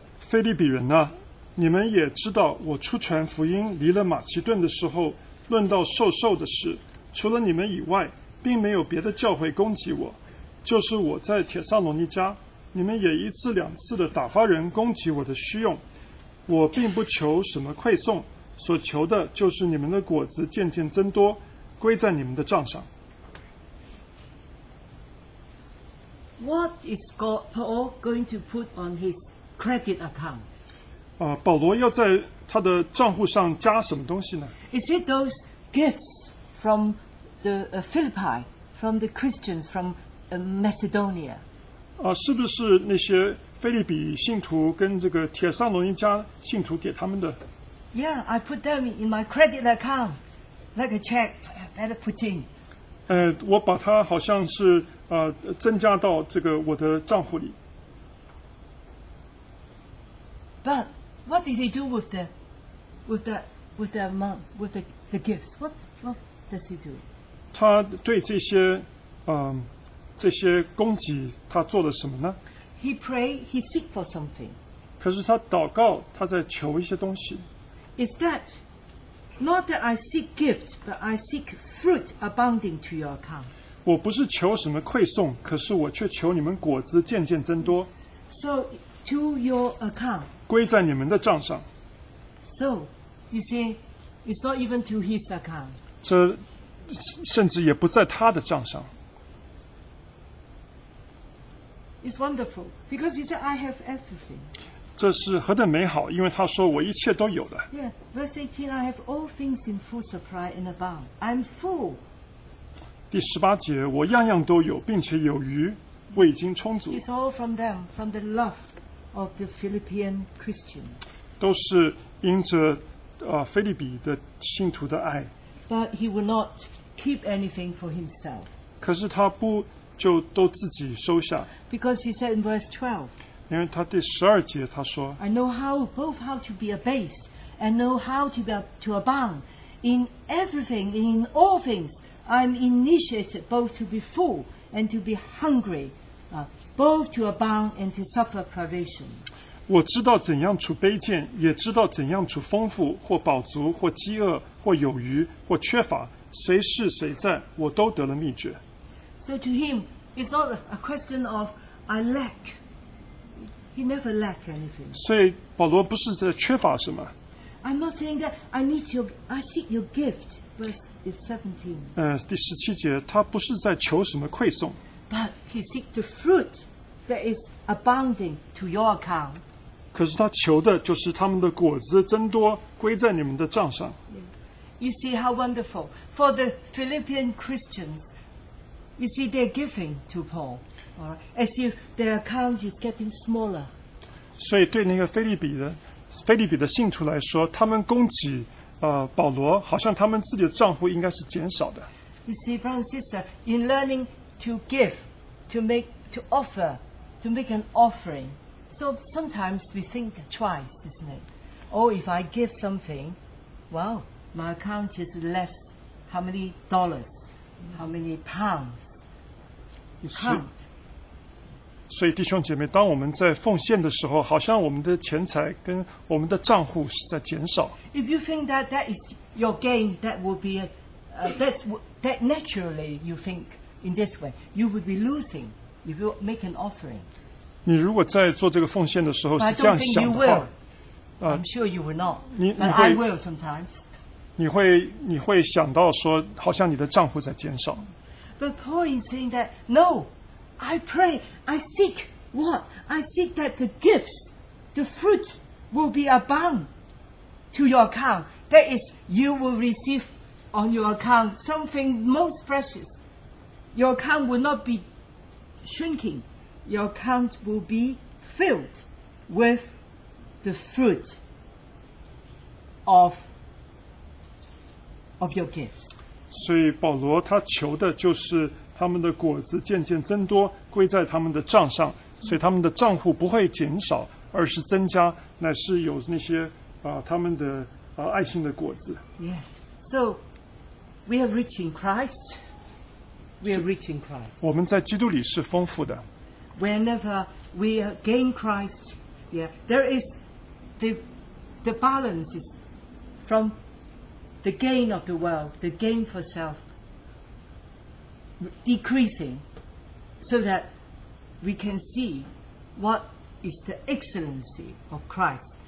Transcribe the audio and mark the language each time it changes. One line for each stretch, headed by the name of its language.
Chinese: 腓立比人啊，你们也知道我出传福音离了马其顿的时候，论到瘦瘦的事，除了你们以外并没有别的教会攻击我，就是我在帖撒罗尼迦，你们也一次两次的打发人攻击我的虚用。我并不求什么馈送，所求的就是你们的果子渐渐增多，归在你们的账上。
English: What is Paul going to put on his credit account?
Chinese: 保罗要在他的账户上加什么东西呢？
English: Is it those gifts from? The Philippi from the Christians from Macedonia.
Chinese: 是不是那些腓立比信徒跟这个帖撒罗尼迦信徒给他们的
English: Yeah, I put them in my credit account, like a check. I better put in.
Chinese: 我把它好像是增加到这个我的账户里。
English: But what did he do with the, with the, with the amount, with the, the gifts? What does he do?
Chinese: 他对这些这些供给他做了什么呢？
English: He pray, he seek for something.
Chinese: 可是他祷告，他在求一些东西。
English: Is that not that I seek gift, but I seek fruit abounding to your account?
Chinese: 我不是求什么馈送，可是我却求你们果子渐渐增多。
English: So to your account.
Chinese: 归在你们的账上。
English: So you see, it's not even to his account.
Chinese: 这甚至也不在他的账上。
English: It's wonderful because he said, "I have everything."
Chinese: 这是何等美好，因为他说我一切都有了。
English: Yeah, verse 18, "I have all things in full supply and abound. I'm full."
Chinese: 第十八节，我样样都有，并且有余，我已经充足。
English: It's all from them, from the love of the Philippian Christian.
Chinese: 都是因着腓立比的信徒的爱。
English: But he will not keep anything for himself.
Chinese: 可是他不。就都自己收下。
English: Because he said in verse 12,
Chinese: 因为他第十二节他说
English: I know how both how to be abased and know how to, be, to abound in everything, in all things. I'm initiated both to be full and to be hungry, both to abound and to suffer privation.
Chinese: 我知道怎样处卑贱，也知道怎样处丰富，或饱足，或饥饿，或有余，或缺乏，谁是谁在，我都得了秘诀。
English: So to him, it's not a question of I lack. He never lack anything.
Chinese: 所以保罗不是在缺乏什么。
English: I'm not saying that I need your, I seek your gift. Verse is 17.
Chinese: 第十七节，他不是在求什么馈送。
English: But he seeks the fruit that is abounding to your account.
Chinese: 可是他求的就是他们的果子增多，归在你们的账上。
English: You see how wonderful for the Philippian Christians. You see, they're giving to Paul, all right? As if their account is getting smaller.
Chinese: 所以对那个腓立比的信徒来说，他们供给保罗，好像他们自己的账户应该是减少的。
English: You see, brother and sister, in learning to give, to make, to offer, to make an offering, so sometimes we think twice, isn't it? Oh, if I give something, well, my account is less. How many dollars? How many pounds? Count.
Chinese: 所以弟兄姐妹，当我们在奉献的时候，好像我们的钱财跟我们的账户是在减少。
English: If you think that that is your gain, that will be that's that naturally you think in this way, you would be losing if you make an offering.
Chinese: 你如果在做这个奉献的时候是这样想的话，
English: I'm sure you will not. But I will sometimes.
Chinese: 你会想到说，好像你的账户在减少。
English: But Paul is saying that no, I pray, I seek what? I seek that the gifts, the fruit will be abound to your account. That is, you will receive on your account something most precious. Your account will not be shrinking. Your account will be filled with the fruit of. Of your gifts.
Chinese: 所以保罗他求的就是他们的果子渐渐增多，归在他们的账上，所以他们的账户不会减少，而是增加，乃是有那些他们的爱心的果子。
English: Yeah. So we are rich in Christ. We are rich in Christ.
Chinese: 我们在基督里是丰富的。
English: Whenever we gain Christ, yeah, there is the balance is from. The gain of the world, the gain for self, decreasing, so that we can see what is the excellency of Christ.